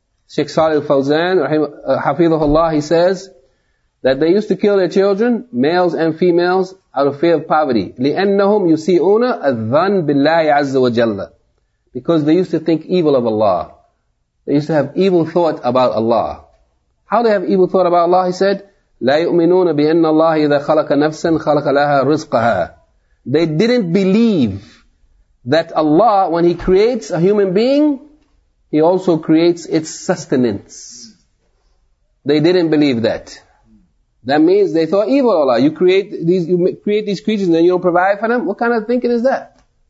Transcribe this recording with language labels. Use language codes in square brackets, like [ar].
[en] Sheikh Salih al-Fawzan, Hafidhullah, he says that they used to kill their children, males and females, out of fear of poverty. [ar] لِأَنَّهُمْ يُسِئُونَ أَذَّنْ بِاللَّهِ عَزَّ وَجَلَّ. [en] Because they used to think evil of Allah. They used to have evil thought about Allah. How they have evil thought about Allah? He said, [ar] لَا يُؤْمِنُونَ بِأَنَّ اللَّهِ إِذَا خَلَقَ نَفْسًا خَلَقَ لَهَا رِزْقَهَا. [en] They didn't believe that Allah, when He creates a human being, He also creates its sustenance. They didn't believe that. That means they thought evil Allah. You create these creatures and then you don't provide for them? What kind of thinking is that?